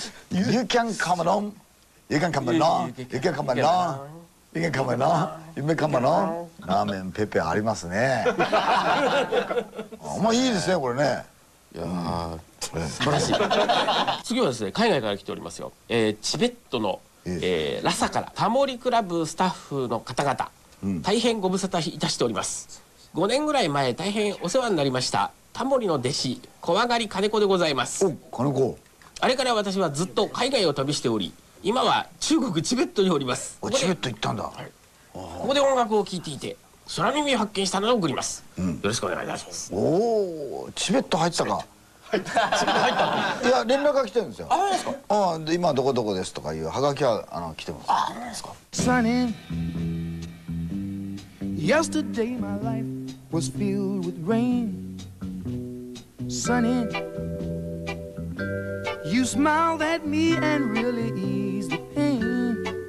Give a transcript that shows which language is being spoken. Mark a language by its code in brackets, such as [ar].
[en] You can come along, you can come along, you can come along, you can come along, you can come along. [ja] ラーメンペペありますね。あんまいいですね、これね。いや、うん、素晴らしい。次はですね、海外から来ておりますよ。チベットの、ラサからタモリクラブスタッフの方々、うん、大変ご無沙汰いたしております。5年ぐらい前、大変お世話になりました。タモリの弟子、怖がり金子でございます。お、金子。あれから私はずっと海外を旅しており、今は中国チベットにおります。チベット行ったんだ、はい、ここで音楽を聴いていて空耳を発見したので送ります、うん、よろしくお願いします。おー、チベット入ってたか。チベット入ったの。いや、連絡が来てるんですよ。あ、そうですか。あ、で、今どこどこですとかいうハガキは来てます。あ、そうですか。 [en] サニー Yesterday my life was filled with rain サニーYou smiled at me and really eased the pain.